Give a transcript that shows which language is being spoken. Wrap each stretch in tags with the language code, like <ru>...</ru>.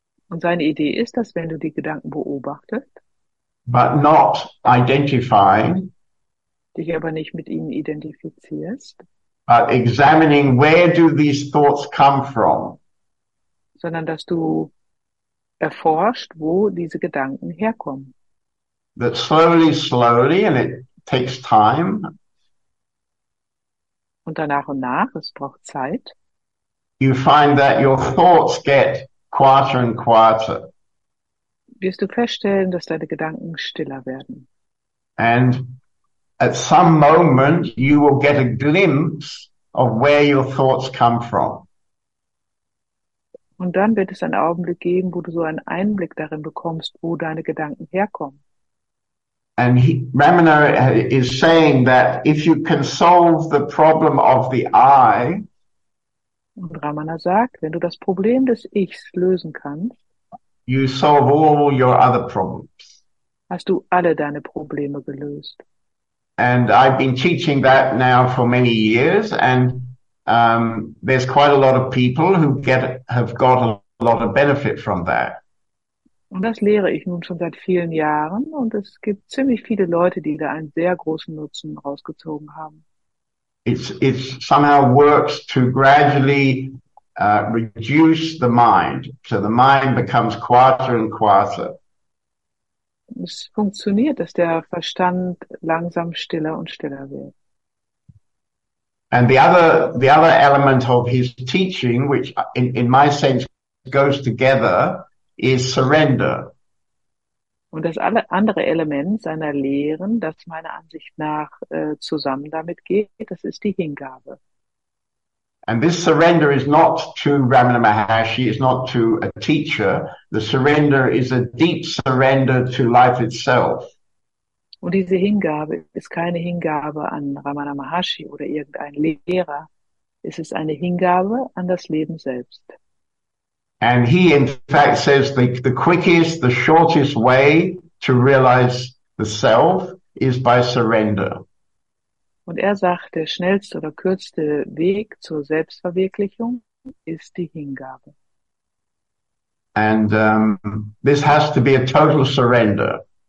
<de>und seine Idee ist, dass wenn du die Gedanken beobachtest,</de> <en>but not identifying,</en> <de>dich aber nicht mit ihnen identifizierst,</de> <en>but examining where do these thoughts come from,</en> <de>sondern dass du erforscht, wo diese Gedanken herkommen.</de> <en>That slowly, slowly, and it takes time.</en> <de>Und danach und nach, es braucht Zeit.</de> <en>You find that your thoughts get quieter and quieter.</en> <de>Wirst du feststellen, dass deine Gedanken stiller werden.</de> <en>And at some moment you will get a glimpse of where your thoughts come from.</en> <de>Und dann wird es einen Augenblick geben, wo du so einen Einblick darin bekommst, wo deine Gedanken herkommen.</de> <en>And Ramana is saying that if you can solve the problem of the I,</en> <de>und Ramana sagt, wenn du das Problem des Ichs lösen kannst,</de> <en>you solve all your other problems.</en> <de>Hast du alle deine Probleme gelöst.</de> <en>And I've been teaching that now for many years, and there's quite a lot of people who have got a lot of benefit from that.</en> <de>Und das lehre ich nun schon seit vielen Jahren, und es gibt ziemlich viele Leute, die da einen sehr großen Nutzen rausgezogen haben.</de> <en>It somehow works to gradually reduce the mind, so the mind becomes quieter and quieter.</en> <de>Es funktioniert, dass der Verstand langsam stiller und stiller wird.</de> <en>And the other element of his teaching, which in my sense goes together, is surrender.</en> <de>Und das andere Element seiner Lehren, das meiner Ansicht nach zusammen damit geht, das ist die Hingabe.</de> <en>And this surrender is not to Ramana Maharshi, it's not to a teacher. The surrender is a deep surrender to life itself.</en> <de>Und diese Hingabe ist keine Hingabe an Ramana Maharshi oder irgendeinen Lehrer. Es ist eine Hingabe an das Leben selbst.</de> <en>And he in fact says the quickest, the shortest way to realize the self is by surrender.</en> <de>Und er sagt, der schnellste oder kürzeste Weg zur Selbstverwirklichung ist die Hingabe.</de> <en>And this has to be a total surrender.</en>